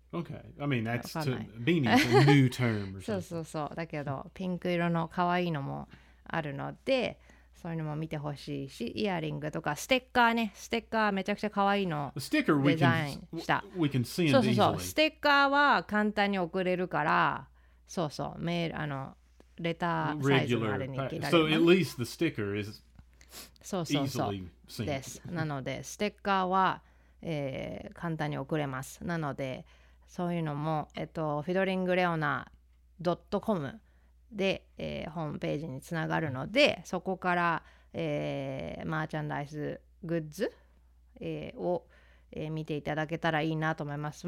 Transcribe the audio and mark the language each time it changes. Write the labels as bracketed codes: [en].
[en] Okay, I mean that's to beanie is a new term. [ja] そうそうそう、だけどピンク色の可愛いのもあるので、そういうのも見てほしいし、イヤリングとかステッカーね、ステッカーめちゃくちゃ可愛いのデザインした。 [en] We can see it easily. [ja] そうそうそう、ステッカーは簡単に送れるから、そうそう、メール、あのレターサイズまでに行けられる。 [en] So at least the sticker is easily seen. [ja] そうそうそうです。なのでステッカーは、簡単に送れます。なのでそういうのも、フィドリングレオナ .com で、ホームページにつながるので、そこから、マーチャンダイスグッズ、を、見ていただけたらいいなと思います。